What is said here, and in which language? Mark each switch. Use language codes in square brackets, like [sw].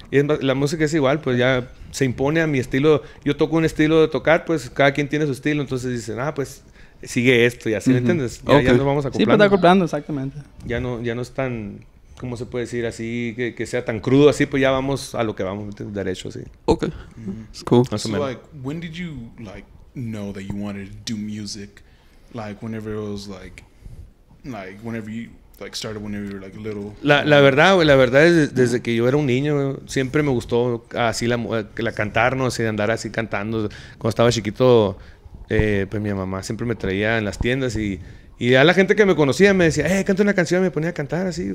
[es] Y la música es igual, pues, ya... Se impone a mi estilo. Yo toco un estilo de tocar, pues cada quien tiene su estilo. Entonces dicen, ah, pues sigue esto y así, ¿me entiendes? Ya nos vamos acoplando. Sí, pues está acoplando, exactamente. Ya no es tan, ¿cómo se puede decir? Así, que sea tan crudo, así, pues ya vamos a lo que vamos, derecho, así. [en] Ok. It's cool. [es] Más o menos. [en] So, like, when did you, like, know that you wanted to do music? Like, whenever it was, like, whenever you... Like started whenever you were like little. [es] La verdad es desde que yo era un niño siempre me gustó así la cantar, ¿no? Así de andar así cantando. Cuando estaba chiquito, pues mi mamá siempre me traía en las tiendas y a la gente que me conocía me decía, canta una canción, me ponía a cantar así.